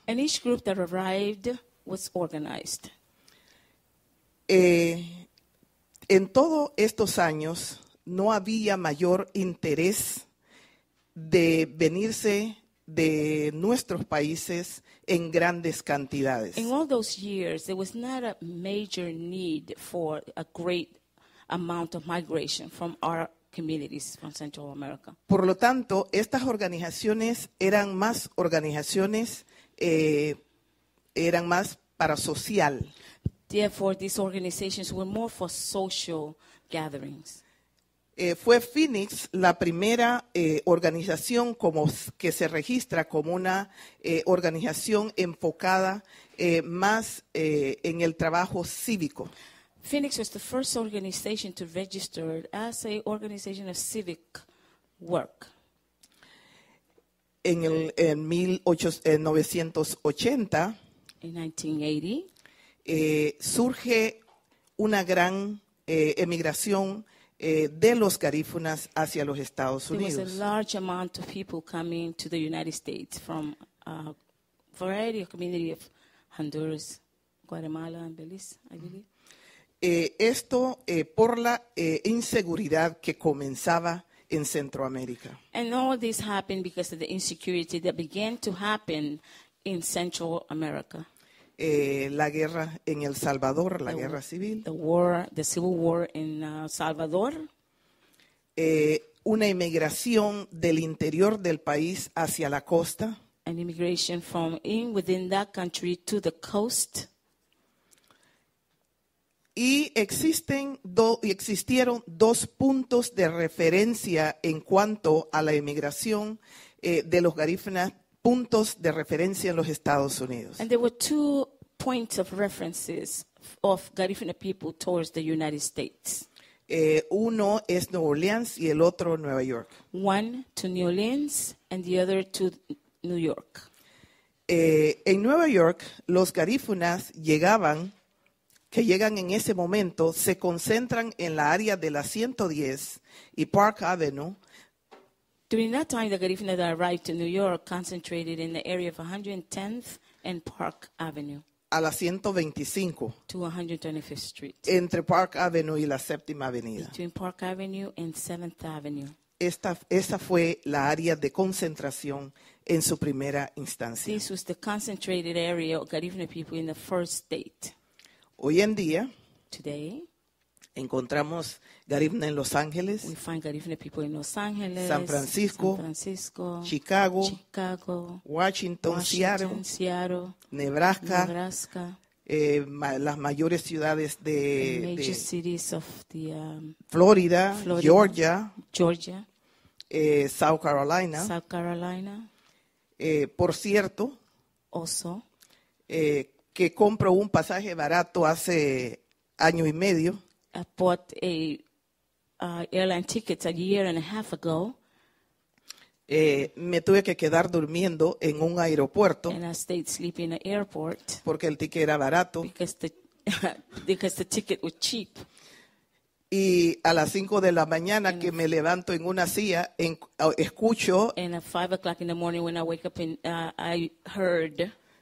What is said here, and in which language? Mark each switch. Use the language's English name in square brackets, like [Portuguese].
[English] And each group that arrived was organized. [Spanish] En todos estos años no había mayor interés de venirse de nuestros países en grandes cantidades. [English] In all those years, there was not a major need for a great amount of migration from our communities from Central America. [Spanish] Por lo tanto, estas organizaciones eran más organizaciones, eran más para social. [English] Therefore, these organizations were more for social gatherings. [Spanish] Fue Phoenix la primera organización como que se registra como una organización enfocada más en el trabajo cívico. [English] Phoenix was the first organization to register as an organization of civic work. [Spanish] En 1980, [English] In 1980, [Spanish] surge una gran emigración de los garífunas hacia los Estados Unidos. [English] There was a large amount of people coming to the United States from a variety of community of Honduras, Guatemala, and Belize, I believe. [Spanish] Esto por la inseguridad que comenzaba en Centroamérica. [English] And all this happened because of the insecurity that began to happen in Central America. [Spanish] La guerra en El Salvador, la guerra civil. [English] The civil war in Salvador. [Spanish] Una emigración del interior del país hacia la costa. [English] An immigration from in within that country to the coast. [Spanish] Y existieron dos puntos de referencia en cuanto a la emigración de los garífunas, puntos de referencia en los Estados Unidos. [English] And there were two points of references of Garifuna people towards the United States. [Spanish] Uno es New Orleans y el otro Nueva York. [English] One to New Orleans and the other to New York. [Spanish] En Nueva York, los garífunas que llegan en ese momento, se concentran en la área de la 110 y Park Avenue. [English] During that time, the Garifuna that arrived to New York concentrated in the area of 110th and Park Avenue. [Spanish] A la 125. [English] To 125th Street. [Spanish] Entre Park Avenue y la séptima avenida. [English] Between Park Avenue and 7th Avenue. [Spanish] Esa fue la área de concentración en su primera instancia. [English] This was the concentrated area of Garifuna people in the first state. [Spanish] Hoy en día, [English] today, [Spanish] encontramos Garifuna en Los Ángeles, [English] we find Garifuna people in Los Angeles, San Francisco, Chicago, Washington, Seattle, [Spanish] Nebraska, las mayores ciudades de, de [English] cities of the, Florida, Georgia, [Spanish] South Carolina. Por cierto, [English] also, [Spanish] que compro un pasaje barato hace año y medio. [English] I bought a airline ticket a year and a half ago. [Spanish] Me tuve que quedar durmiendo en un aeropuerto. [English] And I stayed sleeping in an airport. [Spanish] Porque el ticket era barato. [English] Because the ticket was cheap. [Spanish] Y a las 5 de la mañana que me levanto en una silla, escucho. [English] And at 5 o'clock in the morning when I wake up, I heard.